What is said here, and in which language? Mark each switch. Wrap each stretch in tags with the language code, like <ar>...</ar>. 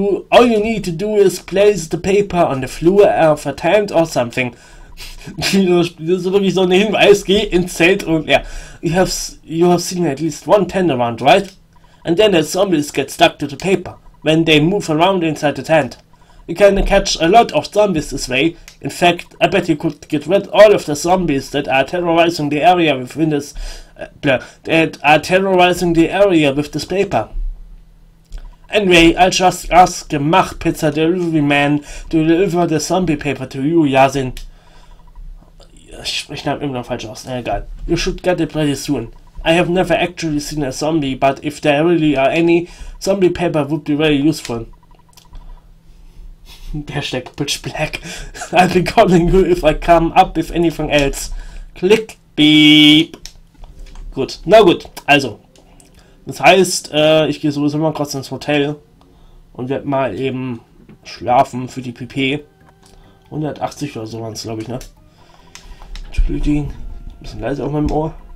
<en>All you need to do is place the paper on the floor of a tent or something.</en> <de>Das ist wirklich so ein Hinweis, geh ins Zelt und ja.</de> <en>You have seen at least one tent around, right? And then the zombies get stuck to the paper, when they move around inside the tent. You can catch a lot of zombies this way. In fact, I bet you could get rid of all of the zombies that are terrorizing the area within this that are terrorizing the area with this paper. Anyway, I just asked the Mach Pizza Delivery Man to deliver the zombie paper to you, Yasin.</en> <de>Ich spreche den Namen immer noch falsch aus. Na egal.</de> <en>You should get it pretty soon. I have never actually seen a zombie, but if there really are any, zombie paper would be very useful. Hashtag Pitch Black. I'll be calling you if I come up with anything else.</en> <de>Click. Beep. Gut. Na gut. Also. Das heißt, ich gehe sowieso mal kurz ins Hotel und werde mal eben schlafen für die PP. 180 oder so waren es, glaube ich, ne? Ein bisschen leise auf meinem Ohr.</de>